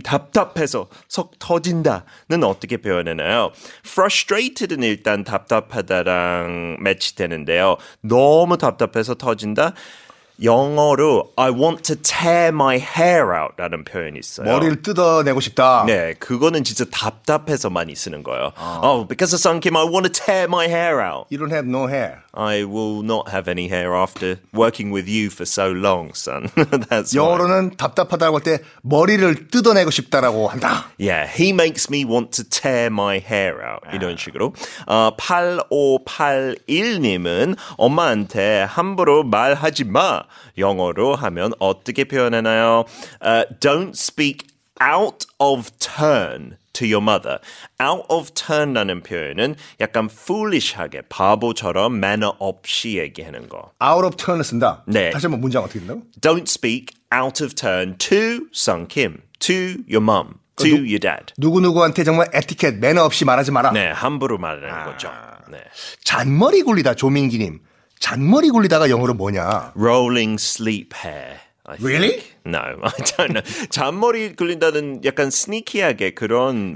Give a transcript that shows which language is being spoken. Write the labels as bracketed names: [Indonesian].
[Korean] 답답해서 속 터진다는 어떻게 표현하나요? Frustrated은 일단 답답하다랑 매치되는데요. 너무 답답해서 터진다. 영어로 [English] I want to tear my hair out [Korean] 라는 표현이 있어요. 머리를 뜯어내고 싶다. 네, 그거는 진짜 답답해서 많이 쓰는 거예요. 아. [English] Oh, because the sun came, I want to tear my hair out. You don't have no hair. I will not have any hair after working with you for so long, son. That's [Korean] 영어로는 답답하다고 할 때 머리를 뜯어내고 싶다라고 한다. [English] Yeah, he makes me want to tear my hair out. [Korean] 아. 이런 식으로. 8581님은 엄마한테 함부로 말하지 마. 영어로 하면 어떻게 표현하나요? [English] Don't speak out of turn to your mother. [Korean] Out of turn라는 표현은 약간 foolish하게 바보처럼 매너 없이 얘기하는 거. Out of turn을 쓴다? 네. 다시 한번 문장 어떻게 된다고? [English] Don't speak out of turn to Sung Kim, to your mom, to your dad. [Korean] 누구누구한테 정말 에티켓, 매너 없이 말하지 마라. 네, 함부로 말하는 거죠. 네. 잔머리 굴리다, 조민기님. 잔머리 굴리다가 영어로 뭐냐? [English] Rolling sleep hair. Really? No, I don't know. [Korean] 잔머리 굴린다는 약간 sneaky하게 그런